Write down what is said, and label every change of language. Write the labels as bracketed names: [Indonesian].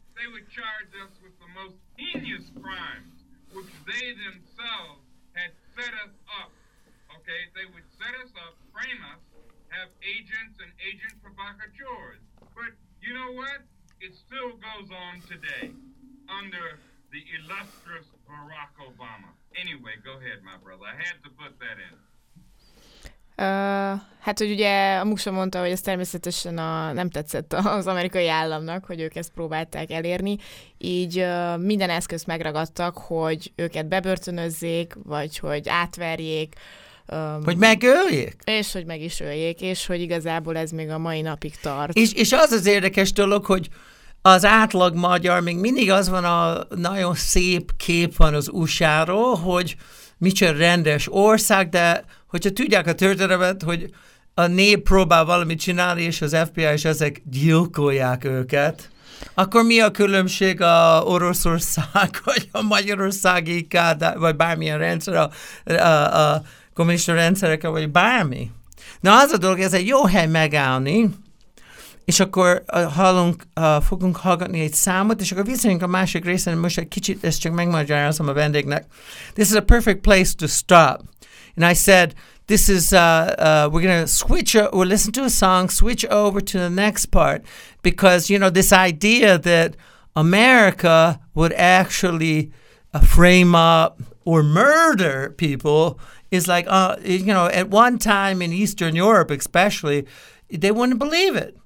[English] They would charge us with the most heinous crimes, which they themselves had set us up. Okay, they would set us up, frame us, have agents and agent provocateurs. But you know what? It still goes on today under the illustrious Barack Obama. Anyway, go ahead, my brother. I had to put that in. [Hungarian] Hát, hogy ugye a Muxa mondta, hogy ez természetesen nem tetszett az amerikai államnak, hogy ők ezt próbálták elérni, így minden eszközt megragadtak, hogy őket bebörtönözzék, vagy hogy átverjék. Hogy megöljék? És hogy meg is öljék, és hogy igazából ez még a mai napig tart. És az az érdekes dolog, hogy az átlag magyar még mindig az van, a nagyon szép kép van az USA-ról, hogy micsoda rendes ország, de hogyha tudják a történetet, hogy a nép próbál valamit csinálni, és az FBI és ezek gyilkolják őket, akkor mi a különbség a Oroszország, vagy a Magyarországi Kádá, vagy bármilyen rendszer, a kommunista rendszereke, vagy bármi. Na az a dolog, ez egy jó hely megállni, és akkor fogunk hallgatni egy számot, és akkor visszajönk a másik részen, most egy kicsit, ezt csak megmagyarázom a vendégnek. [English] This is a perfect place to stop. And I said, this is, we're going to we'll listen to a song, switch over to the next part, because, you know, this idea that America would actually frame up or murder people is like, you know, at one time in Eastern Europe especially, they wouldn't believe it.